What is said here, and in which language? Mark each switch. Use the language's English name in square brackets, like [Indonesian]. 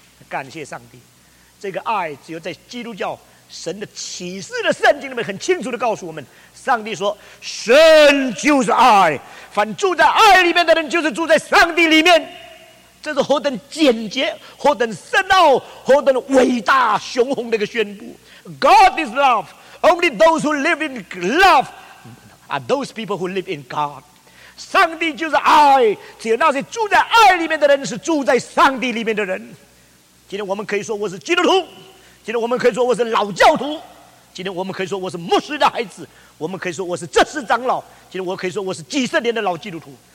[Chinese] 感谢上帝，这个爱只有在基督教神的启示的圣经里面很清楚地告诉我们，上帝说神就是爱，凡住在爱里面的人就是住在上帝里面。这是何等简洁，何等深奥，何等伟大雄宏的一个宣布。 [English] God is love, only those who live in loveAre those people who live in God. [Chinese] 上帝就是爱，只有那些住在爱里面的人是住在上帝里面的人。今天我们可以说我是基督徒，今天我们可以说我是老教徒，今天我们可以说我是牧师的孩子，我们可以说我是执事长老，今天我可以说我是几十年的老基督徒。